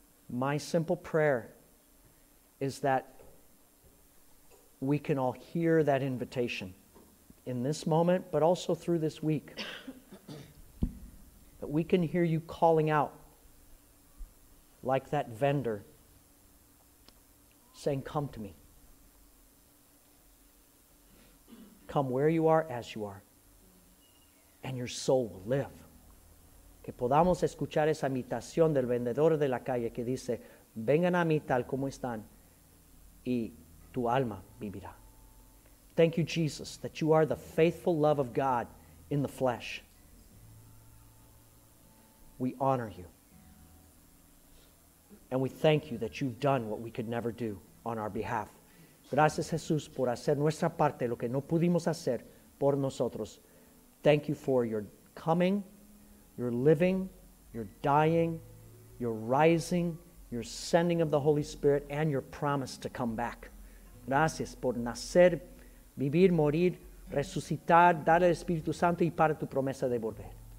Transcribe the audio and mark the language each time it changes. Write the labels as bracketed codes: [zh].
[en] My simple prayer is that we can all hear that invitation in this moment, but also through this week, that we can hear You calling out like that vendor saying, come to Me. Come where you are, as you are, and your soul will live. [es] Que podamos escuchar esa invitación del vendedor de la calle que dice, vengan a mí tal como están, y tu alma vivirá. [en] Thank You, Jesus, that You are the faithful love of God in the flesh. We honor You. And we thank You that You've done what we could never do on our behalf. [es] Gracias, Jesús, por hacer nuestra parte, lo que no pudimos hacer por nosotros. [en] Thank You for Your coming, Your living, Your dying, Your rising, Your sending of the Holy Spirit, and Your promise to come back. [es] Gracias por nacer, vivir, morir, resucitar, dar el Espíritu Santo y para tu promesa de volver.